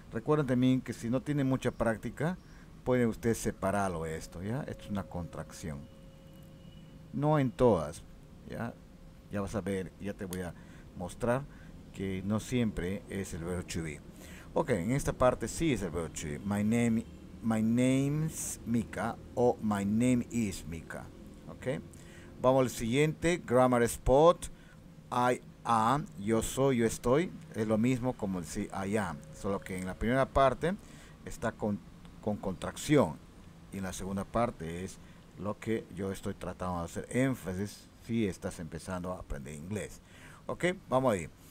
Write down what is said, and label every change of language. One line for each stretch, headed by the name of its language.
Spanish: Recuerden también que si no tienen mucha práctica, puede usted separarlo esto, ¿ya? Esto es una contracción. No en todas, ¿ya? Ya vas a ver, ya te voy a mostrar que no siempre es el verbo to be. Ok, en esta parte sí es el verbo to be.
English: My name's Mika o my name is Mika. Okay.
Spanish: Vamos al siguiente,
English: grammar spot, I am,
Spanish: yo soy, yo estoy, es lo mismo como decir I am, solo que en la primera parte está con contracción y en la segunda parte es lo que yo estoy tratando de hacer énfasis si estás empezando a aprender inglés. Ok, vamos ahí.